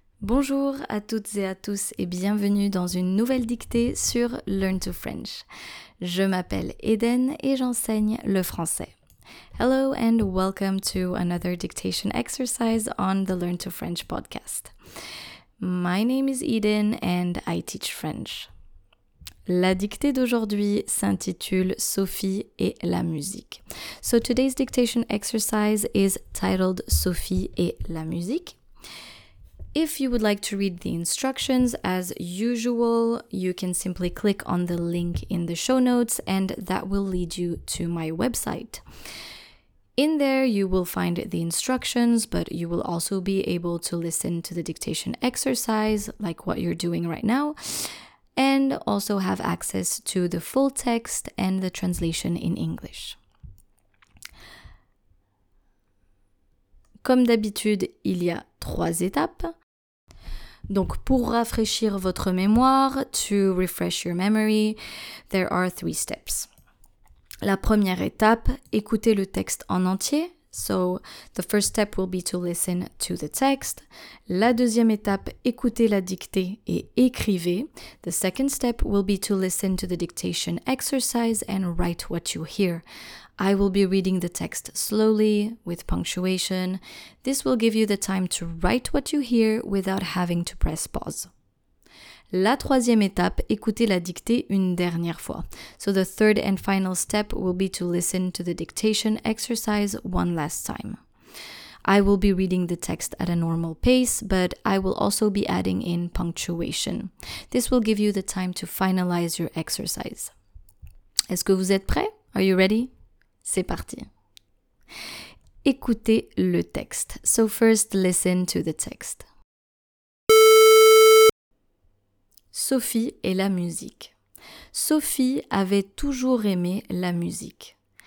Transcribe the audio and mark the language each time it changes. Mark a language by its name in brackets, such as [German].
[French] Bonjour à toutes et à tous et bienvenue dans une nouvelle dictée sur Learn to French. Je m'appelle Eden et j'enseigne le français. [English] Hello and welcome to another dictation exercise on the Learn to French podcast. My name is Eden and I teach French. [French] La dictée d'aujourd'hui s'intitule Sophie et la musique. [English] So today's dictation exercise is titled [French] Sophie et la musique. [English] If you would like to read the instructions as usual, you can simply click on the link in the show notes and that will lead you to my website. In there, you will find the instructions, but you will also be able to listen to the dictation exercise, like what you're doing right now, and also have access to the full text and the translation in English. [French] Comme d'habitude, il y a trois étapes. Donc, pour rafraîchir votre mémoire, [English] to refresh your memory, there are three steps. [French] La première étape, écoutez le texte en entier. [English] So, the first step will be to listen to the text. [French] La deuxième étape, écoutez la dictée et écrivez. [English] The second step will be to listen to the dictation exercise and write what you hear. I will be reading the text slowly, with punctuation. This will give you the time to write what you hear without having to press pause. [French] La troisième étape, écoutez la dictée une dernière fois. [English] So the third and final step will be to listen to the dictation exercise one last time. I will be reading the text at a normal pace, but I will also be adding in punctuation. This will give you the time to finalize your exercise. [French] Est-ce que vous êtes prêts? [English] Are you ready? [French] C'est parti. Écoutez le texte. [English] So first, listen to the text. [French] Sophie et la musique. Sophie avait toujours aimé la musique.